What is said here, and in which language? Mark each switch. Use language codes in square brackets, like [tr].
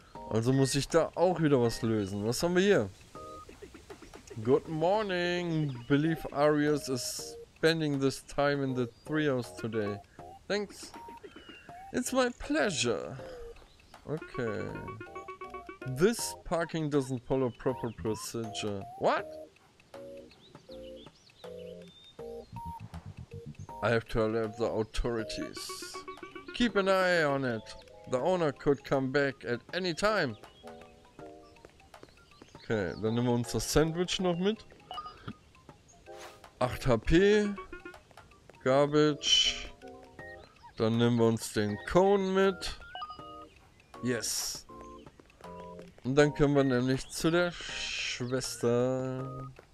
[de] Also muss ich da auch wieder was lösen. Was haben wir hier? [en] Good morning. Believe Arius is spending this time in the treehouse today. Thanks. It's my pleasure. Okay. This parking doesn't follow proper procedure. What? I have to alert the authorities. Keep an eye on it. The owner could come back at any time. [de] Okay, dann nehmen wir uns das Sandwich noch mit. [en] 8 HP. Garbage. [de] Dann nehmen wir uns den Cone mit. Yes. Und dann können wir nämlich zu der Schwester.